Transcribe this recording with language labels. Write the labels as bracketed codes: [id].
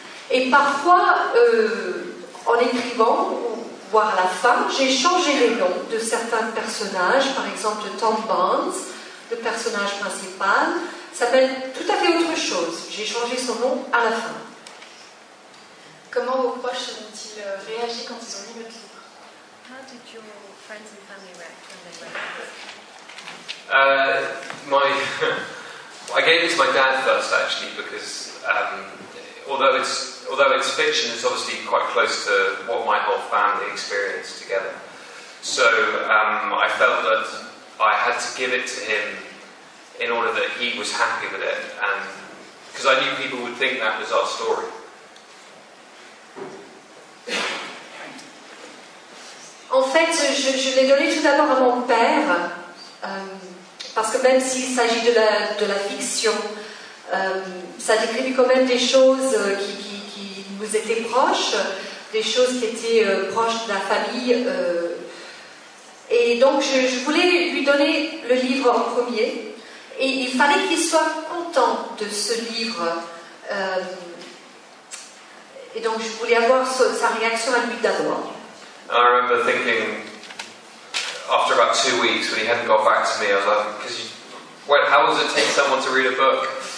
[fr] Et parfois, en écrivant, voire à la fin, j'ai changé les noms de certains personnages, par exemple Tom Barnes, le personnage principal, s'appelle tout à fait autre chose. J'ai changé son nom à la fin. Comment vos proches ont-ils réagi quand ils ont lu votre livre? [en] How did your friends and family react when they read it? I gave it to my dad first, actually, because although it's fiction, it's obviously quite close to what my whole family experienced together. So I felt that I had to give it to him in order that he was happy with it, and because I knew people would think that was our story. [fr] En fait, je l'ai donné tout d'abord à mon père, parce que même s'il s'agit de la fiction, ça décrivait quand même des choses qui nous étaient proches, des choses qui étaient proches de la famille. Et donc, je voulais lui donner le livre en premier. Et il fallait qu'il soit content de ce livre. Et donc, je voulais avoir sa réaction à lui d'abord. [en] I remember thinking, after about 2 weeks, when he hadn't got back to me, I was like, how does it take someone to read a book?